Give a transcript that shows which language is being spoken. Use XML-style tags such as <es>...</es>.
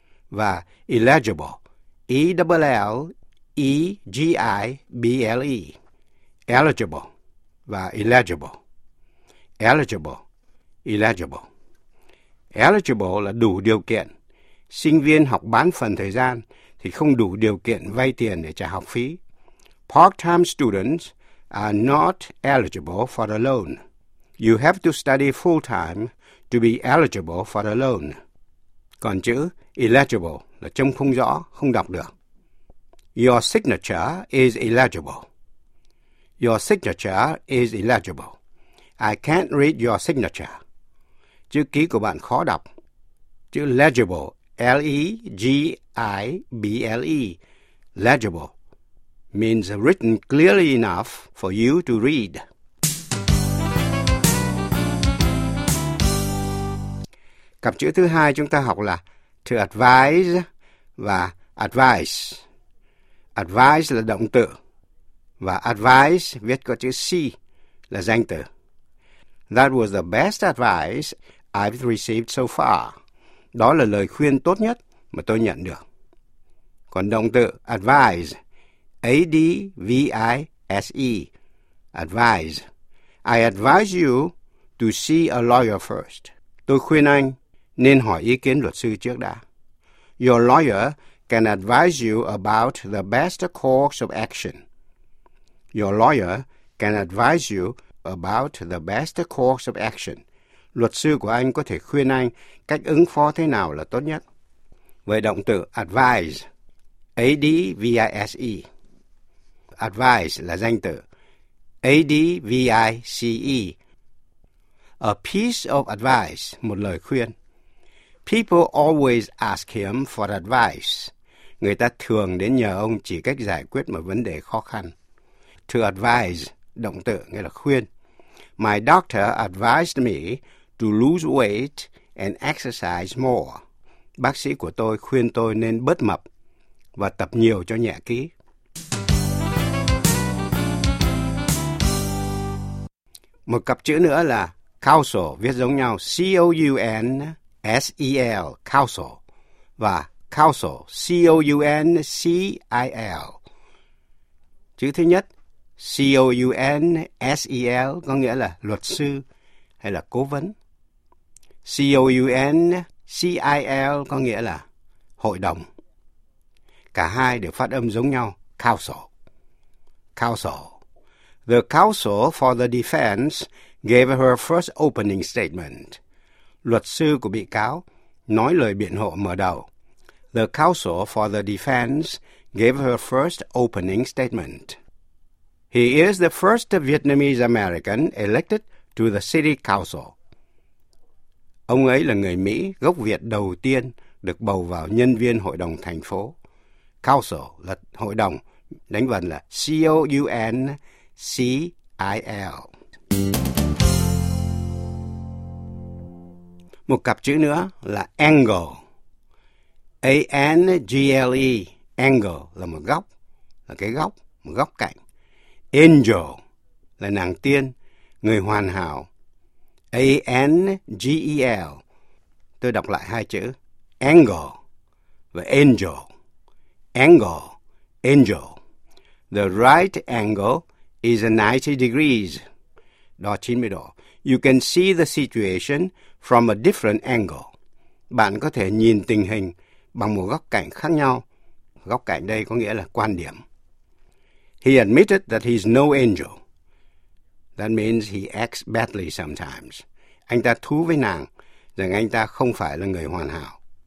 <en>Và illegible. E-L-L-E-G-I-B-L-E, eligible và illegible. Eligible, illegible.</en> <vi>Eligible là đủ điều kiện. Sinh viên học bán phần thời gian thì không đủ điều kiện vay tiền để trả học phí.</vi> <en>Part-time students are not eligible for a loan. You have to study full-time to be eligible for a loan.</en> <vi>Còn chữ illegible là trông không rõ, không đọc được.</vi> <en>Your signature is illegible. Your signature is illegible. I can't read your signature.</en> <vi>Chữ ký của bạn khó đọc.</vi> <en>Chữ legible, L-E-G-I-B-L-E, legible, means written clearly enough for you to read.</en> <vi>Cặp chữ thứ hai chúng ta học là to advise và advice. Advise là động từ và advice viết có chữ C là danh từ.</vi> <en>That was the best advice I've received so far.</en> <vi>Đó là lời khuyên tốt nhất mà tôi nhận được. Còn động từ advise, A-D-V-I-S-E, advise.</vi> <en>I advise you to see a lawyer first.</en> <vi>Tôi khuyên anh nên hỏi ý kiến luật sư trước đã.</vi> <en>Your lawyer can advise you about the best course of action. Your lawyer can advise you about the best course of action.</en> <vi>Luật sư của anh có thể khuyên anh cách ứng phó thế nào là tốt nhất. Với động từ advise, A-D-V-I-S-E. Advice là danh từ, A-D-V-I-C-E.</vi> <en>A piece of advice,</en> <vi>một lời khuyên.</vi> <en>People always ask him for advice.</en> <vi>Người ta thường đến nhờ ông chỉ cách giải quyết một vấn đề khó khăn. To advise, động từ, nghĩa là khuyên.</vi> <en>My doctor advised me to lose weight and exercise more.</en> <vi>Bác sĩ của tôi khuyên tôi nên bớt mập và tập nhiều cho nhẹ ký. Một cặp chữ nữa là council, viết giống nhau C-O-U-N-S-E-L, council, và council, C-O-U-N-C-I-L. Chữ thứ nhất, C-O-U-N-S-E-L, có nghĩa là luật sư hay là cố vấn. C-O-U-N-C-I-L có nghĩa là hội đồng. Cả hai đều phát âm giống nhau, council.</vi> <en>Council. The counsel for the defense gave her first opening statement.</en> <vi>Luật sư của bị cáo nói lời biện hộ mở đầu.</vi> <en>The counsel for the defense gave her first opening statement. He is the first Vietnamese American elected to the city council.</en> <vi>Ông ấy là người Mỹ gốc Việt đầu tiên được bầu vào nhân viên hội đồng thành phố. Council là hội đồng, đánh vần là C-O-U-N-C-I-L. Một cặp chữ nữa là angle. A-N-G-L-E, angle là một góc, là cái góc, một góc cạnh. Angel là nàng tiên, người hoàn hảo. A-N-G-E-L, tôi đọc lại hai chữ, angle và angel.</vi> <en>Angle, angel. The right angle is 90 degrees.</en> <vi>Đó 90 độ.</vi> <en>You can see the situation from a different angle.</en> <vi>Bạn có thể nhìn tình hình bằng một góc cạnh khác nhau. Góc cạnh đây có nghĩa là quan điểm.</vi> <en>He admitted that he's no angel. That means he acts badly sometimes.</en> <vi>Anh ta thú với nàng rằng anh ta không phải là người hoàn hảo.</vi>